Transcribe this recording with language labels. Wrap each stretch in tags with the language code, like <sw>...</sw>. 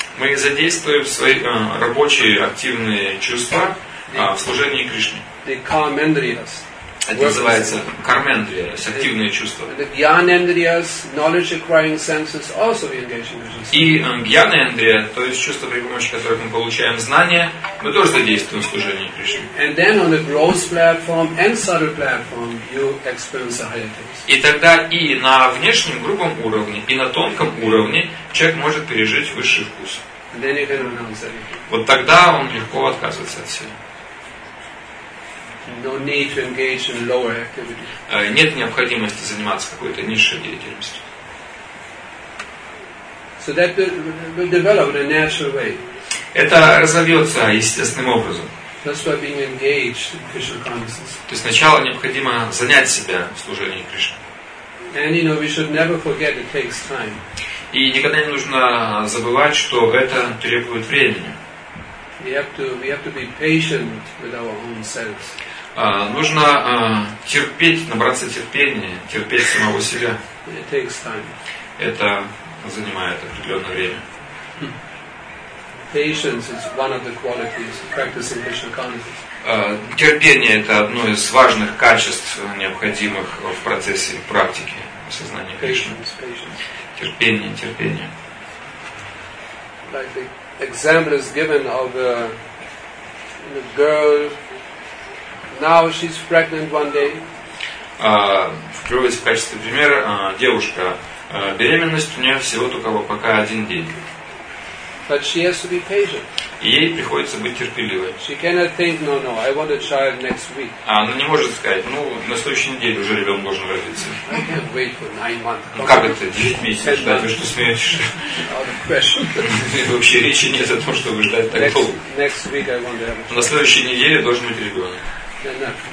<ru>Мы задействуем свои рабочие активные чувства в служении Кришне.</ru> <en>The karmendriyas.</en> <ru>Это называется кармендрия, активные чувства.</ru> <en>The gyanendriyas, knowledge acquiring senses, also we engage in Krishna service.</en> <ru>И гьянендрия, то есть чувства, при помощи которых мы получаем знания, мы тоже задействуем в служении Кришне.</ru> <en>And then on the gross platform and subtle platform, you experience the higher things.</en> <ru>И тогда и на внешнем грубом уровне, и на тонком уровне человек может пережить высший вкус.</ru> <en>And then you can announce everything.</en> <ru>Вот тогда он легко отказывается от всего.</ru> <en>No need to engage in lower activity.</en> <ru>Нет необходимости заниматься какой-то низшей деятельностью.</ru> <en>So that will develop in a natural way.</en> <ru>Это разовьется естественным образом.</ru> <en>That's why being engaged in Krishna consciousness.</en> <ru>То есть сначала необходимо занять себя в служении Кришне.</ru> <en>And you know we should never forget it takes time.</en> <ru>И никогда не нужно забывать, что это требует времени.</ru> <en>We have to be patient with our own selves.</en> <ru>Нужно терпеть, набраться терпения, терпеть самого себя.</ru> <en>It takes time.</en> <ru>Это занимает определенное время.</ru> <en>Patience is one of the qualities of practicing Krishna consciousness.</en> <ru>Терпение — это одно из важных качеств, необходимых в процессе практики осознания Кришны. Терпение.</ru> <en>Like the example is given of a girl. Now she's pregnant one day.</en> <ru>В качестве примера девушка. Беременность у нее всего только пока один день.</ru> <en>But she has to be patient.</en> <ru>Ей приходится быть терпеливой.</ru> <en>She cannot think, no, I want a child next week.</en> <ru>Она не может сказать, на следующей неделе уже ребенок должен родиться.</ru> <en>I can't wait for 9 months.</en> <ru>Как это, 9 месяцев ждать? Вы что, смеетесь?</ru> <en>Out of question.</en> <ru>Вообще речи нет о том, чтобы ждать так долго.</ru> <en>Next week I want to have a child.</en> <ru>На следующей неделе должен быть ребенок.</ru> <en>No.</en>